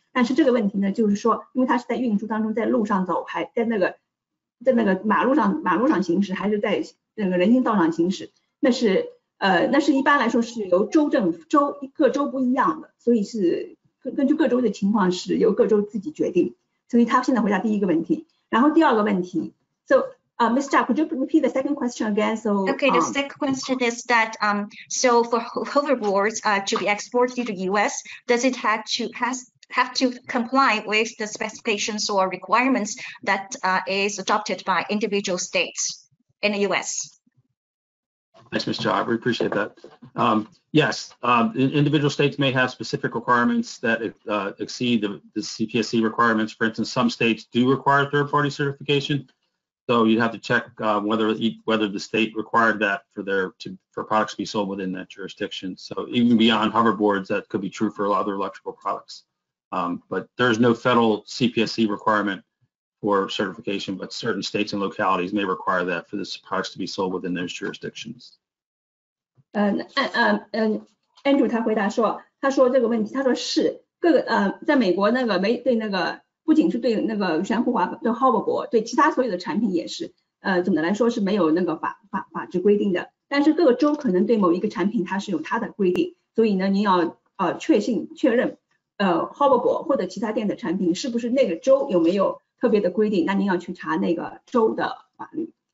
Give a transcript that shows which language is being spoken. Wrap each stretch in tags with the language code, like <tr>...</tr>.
<zh>但是这个问题呢，就是说，因为他是在运输当中，在路上走，还在那个马路上行驶，还是在那个人行道上行驶，那是一般来说是由州政府州各州不一样的，所以是根据各州的情况是由各州自己决定。所以他现在回答第一个问题，然后第二个问题 Ms.</zh> <en>Zhao, could you repeat the second question again? The second question is that for hoverboards to be exported to the U.S., does it have to comply with the specifications or requirements that is adopted by individual states in the U.S.? Thanks, Ms. Zhao. We appreciate that. Yes, individual states may have specific requirements that exceed the CPSC requirements. For instance, some states do require third-party certification. So you'd have to check whether the state required that for products to be sold within that jurisdiction. So even beyond hoverboards, that could be true for a lot of other electrical products. But there's no federal CPSC requirement for certification, but certain states and localities may require that for the products to be sold within those jurisdictions.</en> <zh>Andrew 他回答说，他说这个问题，他说是各个在美国那个没对那个。不仅是对那个悬浮滑板，对 hoverboard， 对其他所有的产品也是，总的来说是没有那个法制规定的。但是各个州可能对某一个产品它是有它的规定，所以呢，您要确认，hoverboard 或者其他电子产品是不是那个州有没有特别的规定，那您要去查那个州的法律。</zh>